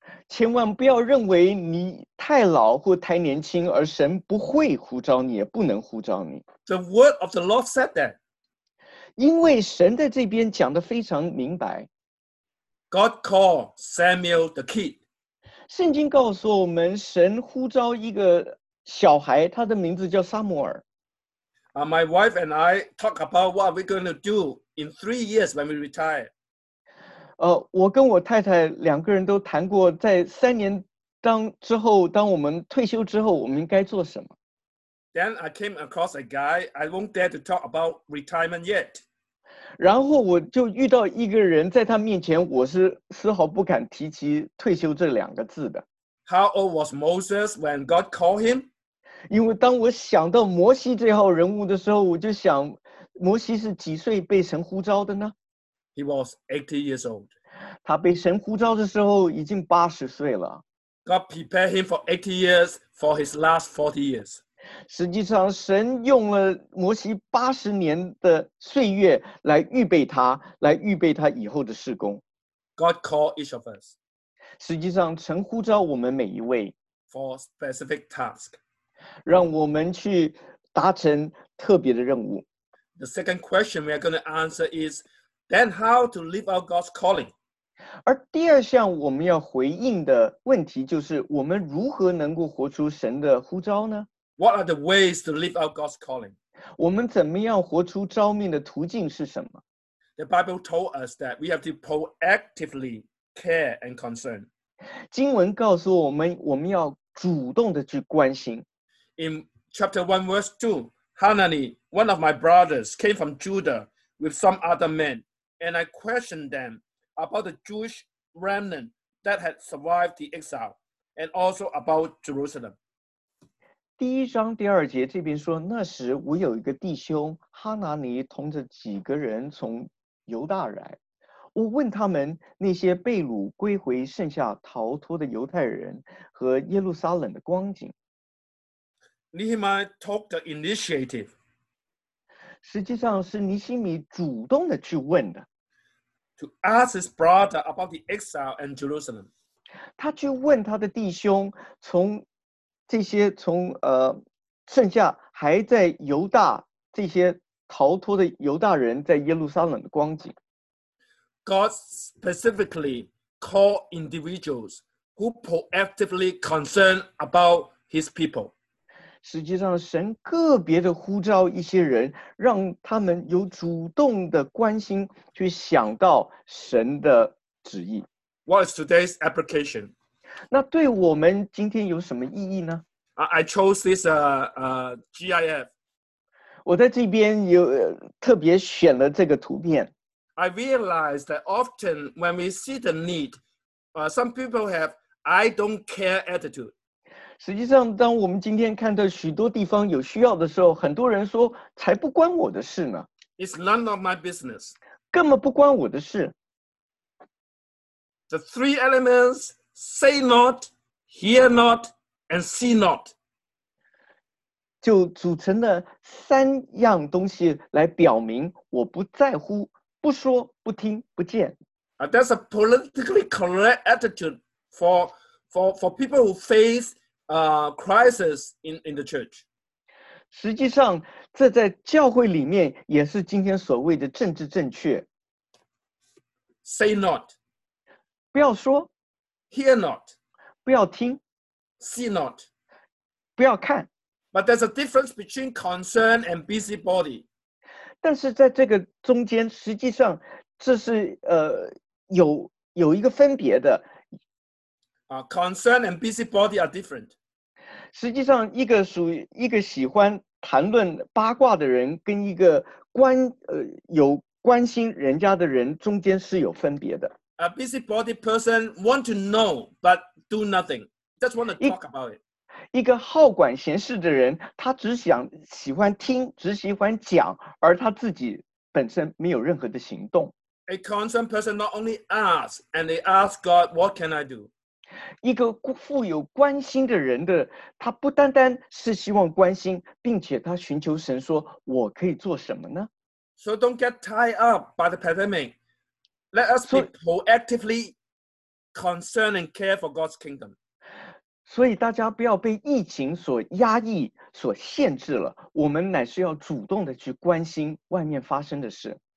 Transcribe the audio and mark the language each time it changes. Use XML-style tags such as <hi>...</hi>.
<zh>千万不要认为你太老或太年轻，而神不会呼召你，也不能呼召你。</zh> <en>The word of the Lord said that.</en> <zh>因为神在这边讲得非常明白。</zh> <en>God called Samuel the kid.</en> <zh>圣经告诉我们，神呼召一个小孩，他的名字叫撒母耳。</zh> <en>My wife and I talk about what we're going to do in 3 years when we retire.</en> <zh>我跟我太太两个人都谈过，在三年之后，当我们退休之后，我们应该做什么。</zh> <en>Then I came across a guy I won't dare to talk about retirement yet.</en> <zh>然后我就遇到一个人，在他面前，我是丝毫不敢提起退休这两个字的。</zh> <en>How old was Moses when God called him?</en> <zh>因为当我想到摩西这号人物的时候，我就想，摩西是几岁被神呼召的呢</zh> <en>？He was 80 years old.</en> <zh>他被神呼召的时候已经80岁了。</zh> <en>God prepared him for 80 years for his last 40 years.</en> <zh>实际上，神用了摩西80年的岁月来预备他，来预备他以后的事工。</zh> <en>God called each of us.</en> <zh>实际上，神呼召我们每一位</zh> <en>for specific task.</en> <zh>让我们去达成特别的任务。</zh> <en>The second question we are going to answer is, then how to live out God's calling?</en> <zh>而第二项我们要回应的问题就是，我们如何能够活出神的呼召呢？</zh> <en>What are the ways to live out God's calling?</en> <zh>我们怎么样活出召命的途径是什么？</zh> <en>The Bible told us that we have to proactively care and concern.</en> <zh>经文告诉我们，我们要主动的去关心。</zh> <en>In chapter 1, verse 2, Hanani, one of my brothers, came from Judah with some other men, and I questioned them about the Jewish remnant that had survived the exile, and also about Jerusalem.</en> <zh>第一章第二节这边说，那时我有一个弟兄哈拿尼同着几个人从犹大来，我问他们那些被掳归回剩下逃脱的犹太人和耶路撒冷的光景。</zh> <en>Nehemiah took the initiative.</en> <zh>实际上是尼希米主动的去问的。</zh> <en>To ask his brother about the exile and Jerusalem.</en> <zh>他去问他的弟兄，从这些剩下还在犹大这些逃脱的犹大人在耶路撒冷的光景。</zh> <en>God specifically called individuals who proactively concerned about his people.</en> <zh>实际上神个别的呼召一些人，让他们有主动的关心，去想到神的旨意。</zh> <en>What is today's application?</en> <zh>那对我们今天有什么意义呢？</zh> <en>I chose this GIF.</en> <zh>我在这边有特别选了这个图片。</zh> <en>I realize that often when we see the need, some people have I don't care attitude.</en> <zh>实际上当我们今天看到许多地方有需要的时候，很多人说才不关我的事呢。</zh> <en>It's none of my business.</en> <zh>根本不关我的事。</zh> <en>The three elements, say not, hear not, and see not.</en> <zh>就组成了三样东西来表明我不在乎，不说，不听，不见。</zh> <en>That's a politically correct attitude for people who face,crisis in the church.</en> <zh>实际上，这在教会里面也是今天所谓的政治正确。</zh> <en>Say not.</en> <zh>不要说。</zh> <en>Hear not.</en> <zh>不要听。</zh> <en>See not.</en> <zh>不要看。</zh> <en>But there's a difference between concern and busybody.</en> <zh>但是在这个中间，实际上这是有一个分别的。</zh> <en>Concern and busybody are different.</en> <zh>实际上一个喜欢谈论八卦的人跟一个有关心人家的人中间是有分别的。</zh> <en>A busybody person want to know but do nothing. Just want to talk about it.</en> <zh>一个好管闲事的人，他只想喜欢听，只喜欢讲，而他自己本身没有任何的行动。</zh> <en>A concerned person not only ask and they ask God, what can I do?</en> <zh>一个富有关心的人的，他不单单是希望关心，并且他寻求神说，我可以做什么呢？</zh> <en>So don't get tied up by the pandemic. Let us be proactively concerned and care for God's kingdom.</en> <zh>所以大家不要被疫情所压抑、所限制了。我们乃是要主动的去关心外面发生的事。</zh>